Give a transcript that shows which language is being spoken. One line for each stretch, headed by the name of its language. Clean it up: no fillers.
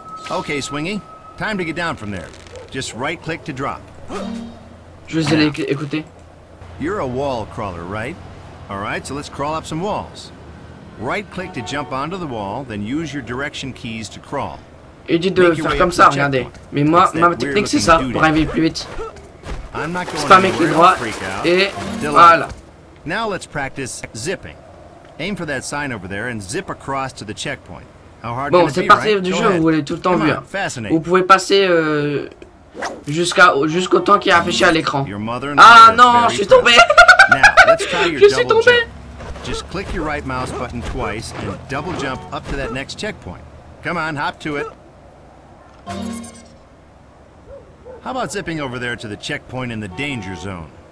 English: Okay, Swingy. Time to get down from there. Just right-click to drop.
French: Je vais aller écouter.
English: You're a wall crawler, right? All right, so let's crawl up some walls. Right-click to jump onto the wall, then use your direction keys to crawl.
French: Il dit de faire comme ça, regardez. Mais moi, ma technique, c'est ça, pour arriver plus vite. Spam avec le droit, et voilà.
English: Now let's practice zipping. Aim for that sign over there and zip across to the checkpoint.
French: Bon, c'est parti du jeu, vous l'avez tout le temps vu. Hein. Vous pouvez passer jusqu'au temps qui est affiché à l'écran. Ah non, je suis tombé. Je suis tombé.
English: Just click your right mouse button twice and double jump up to that next checkpoint. Come on, hop to it. How about zipping over there to the checkpoint in the danger zone?